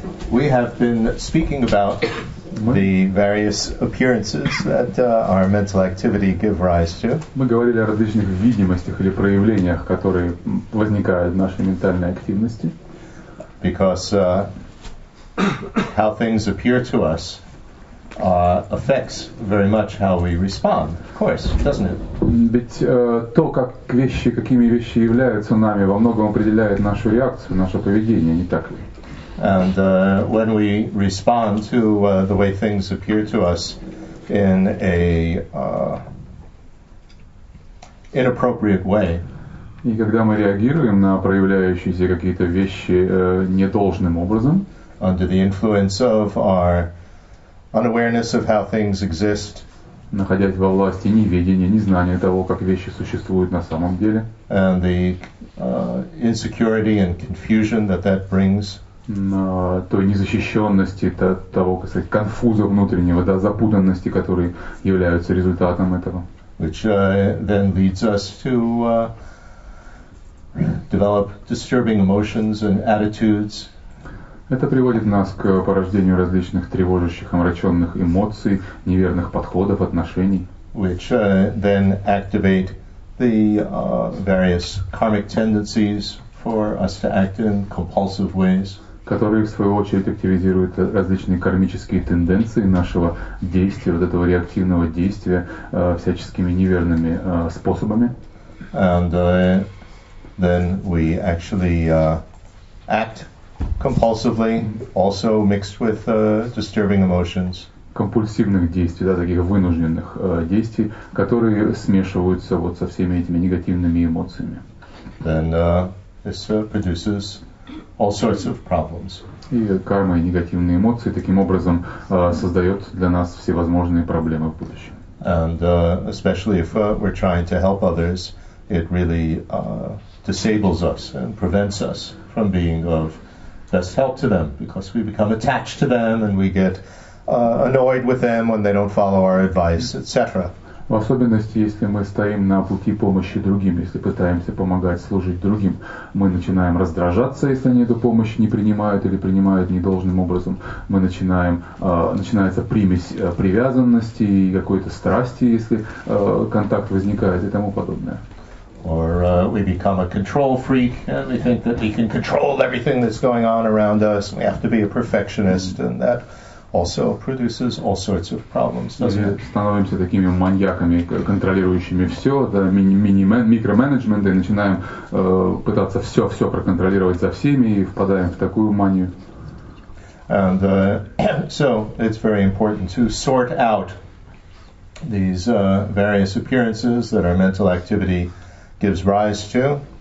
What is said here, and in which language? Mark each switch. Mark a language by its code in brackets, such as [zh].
[en] We have been speaking about the various appearances that our mental activity give rise to. [ru] Мы говорили о различных видимостях или проявлениях, которые возникают в нашей ментальной активности. [en] Because how things appear to us affects very much how we respond, of course, doesn't it? [ru] Ведь то, как вещи, какими вещи являются нами, во многом определяет нашу реакцию, наше поведение, не так ли? [en] And when we respond to the way things appear to us in a inappropriate way, [ru] и когда мы реагируем на проявляющиеся какие-то вещи недолжным образом, [en] under the influence of our unawareness of how things exist, [ru] находясь во власти неведения, незнания того, как вещи существуют на самом деле, [en] and the insecurity and confusion that that brings. [ru] На той незащищенности, того, как сказать, конфуза внутреннего, да, запутанности, которые являются результатом этого. [en] Which then leads us to develop disturbing emotions and attitudes. [ru] Это приводит нас к порождению различных тревожащих, омраченных эмоций, неверных подходов, отношений. [en] Which then activate the various karmic tendencies for us to act in compulsive ways. [ru] Которые, в свою очередь, активизируют различные кармические тенденции нашего действия, вот этого реактивного действия всяческими неверными способами. [en] And then we actually act compulsively, also mixed with disturbing emotions. [ru] Компульсивных действий, да, таких вынужденных действий, которые смешиваются вот со всеми этими негативными эмоциями. [en] Then this produces all sorts of problems. [ru] И карма и негативные эмоции таким образом создают для нас всевозможные проблемы в будущем. [en] And especially if we're trying to help others, it really disables us and prevents us from being of best help to them, because we become attached to them and we get annoyed with them when they don't follow our advice, etc. [ru] В особенности, если мы стоим на пути помощи другим, если пытаемся помогать, служить другим, мы начинаем раздражаться, если они эту помощь не принимают или принимают недолжным образом. Мы начинаем, начинается примесь привязанности и какой-то страсти, если контакт возникает и тому подобное. [en] Or we become a control freak and we think that we can control everything that's going on around us. We have to be a perfectionist and that also produces all sorts of problems, doesn't it? [ru] Становимся такими маньяками, контролирующими все, да, микроменеджмент, и начинаем пытаться все проконтролировать за всеми и впадаем в такую манию. [en] And so it's very important to sort out these various appearances that our mental activity gives rise to.